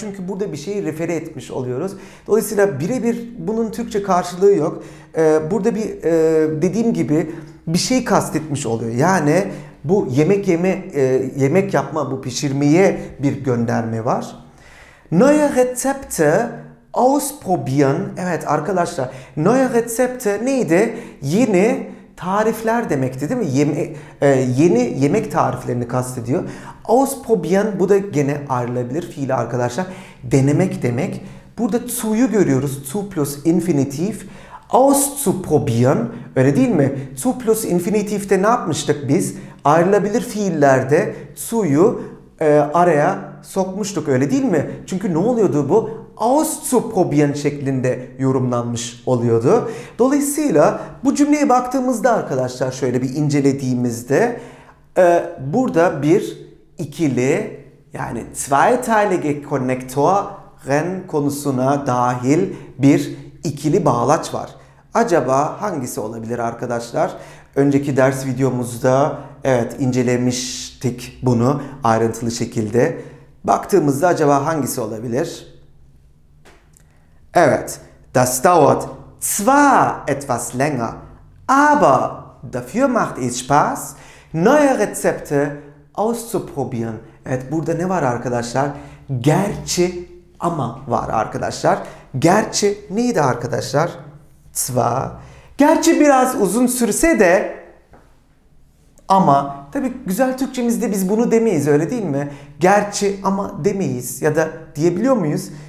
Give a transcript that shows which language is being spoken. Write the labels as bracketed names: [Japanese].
[Turkish] Çünkü burada bir şeyi refere etmiş oluyoruz. Dolayısıyla birebir bunun Türkçe karşılığı yok. Burada bir dediğim gibi bir şey kastetmiş oluyor. Yani bu yemek yeme, yemek yapma, bu pişirmeye bir gönderme var. [German] Neue Rezepte ausprobieren. [Turkish] Evet arkadaşlar, [German] neue Rezepte [Turkish] neydi? Yeni tarifler demekti değil mi? Yeni yemek tariflerini kastediyor. Ausprobieren, bu da gene ayrılabilir fiili arkadaşlar. Denemek demek. Burada zu'yu görüyoruz. Zu plus infinitif. Auszuprobieren, öyle değil mi? Zu plus infinitif'te ne yapmıştık biz? Ayrılabilir fiillerde zu'yu araya sokmuştuk, öyle değil mi? Çünkü ne oluyordu bu? Auszuprobieren şeklinde yorumlanmış oluyordu. Dolayısıyla bu cümleye baktığımızda arkadaşlar, şöyle bir incelediğimizde burada bir ikili, yani zweiteilige Konnektoren konusuna dahil bir ikili bağlaç var. Acaba hangisi olabilir arkadaşlar? Önceki ders videomuzda evet incelemiştik bunu ayrıntılı şekilde. Baktığımızda acaba hangisi olabilir? Evet, [German] das dauert zwar etwas länger, aber dafür macht es Spaß, neue Rezepte auszuprobieren. [Turkish] Evet, burada ne var arkadaşlar? Gerçi ama var arkadaşlar. Gerçi neydi arkadaşlar? Zwar. Gerçi biraz uzun sürse de, ama. Tabii güzel Türkçemizde biz bunu demeyiz, öyle değil mi? Gerçi ama demeyiz, ya da diyebiliyor muyuz?